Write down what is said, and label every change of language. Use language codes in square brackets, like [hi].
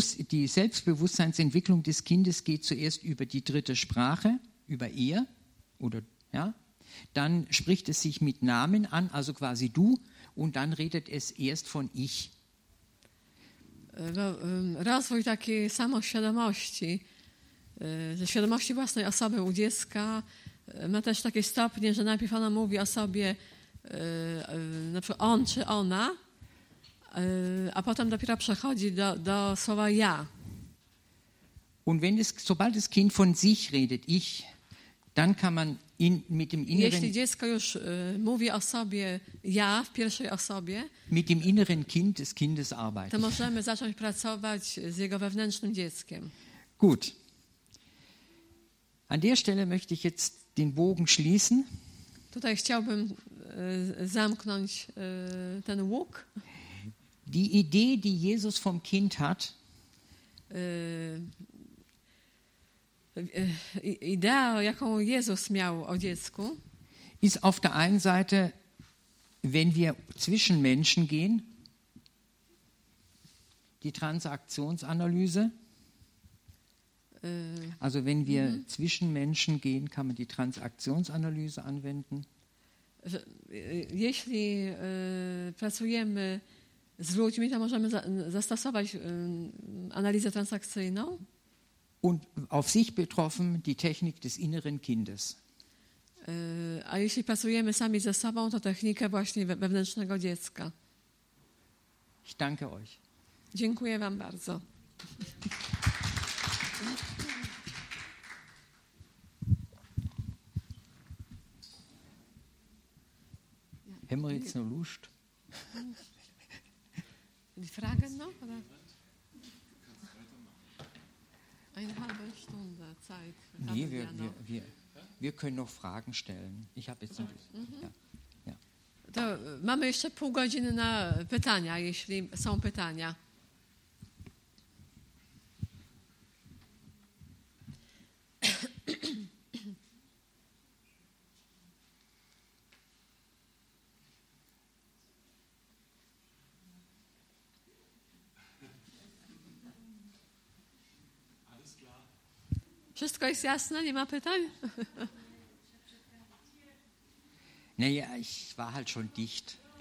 [de] die Selbstbewusstseinsentwicklung des Kindes geht zuerst über die dritte Sprache, über er oder ja, dann spricht es sich mit Namen an, also quasi du, und dann redet es erst von ich. [pl] Rozwój takiej samoświadomości, ze świadomości własnej osoby u dziecka ma też takie stopnie, że najpierw ona mówi o sobie, na przykład on czy ona, a potem dopiero przechodzi do słowa ja. [de] Und wenn es, sobald das Kind von sich redet, ich, dann kann man in, mit dem inneren, [pl] jeśli dziecko już mówi o sobie ja w pierwszej osobie, [de] mit dem inneren Kind des Kindes arbeiten. [pl] To możemy zacząć pracować z jego wewnętrznym dzieckiem. [de] Gut. An der Stelle möchte ich jetzt den Bogen schließen. [pl] Tutaj chciałbym zamknąć ten łuk. [de] Die Idee, die Jesus vom Kind hat, [pl] idea, jaką Jezus miał o dziecku, [de] ist auf der einen Seite, wenn wir zwischen Menschen gehen, die Transaktionsanalyse. Also wenn wir zwischen Menschen gehen, kann man die Transaktionsanalyse anwenden. [pl] Jeśli pracujemy z ludźmi, to możemy zastosować analizę transakcyjną. [de] Und auf sich betroffen die Technik des inneren Kindes. [pl] A jeśli pracujemy sami ze sobą, to technikę właśnie wewnętrznego dziecka. [de] Ich danke euch. [pl] Dziękuję wam bardzo. [de] Haben wir jetzt noch Lust? Die Frage noch? Oder? Eine halbe Stunde Zeit. Nee, wir können noch Fragen stellen. Ich habe jetzt noch. Mhm. Ja. Ja. [pl] To, mamy jeszcze pół godziny na pytania, jeśli są pytania. Wszystko jest jasne, nie ma pytań? Nie, [de] ja, ich war halt schon dicht.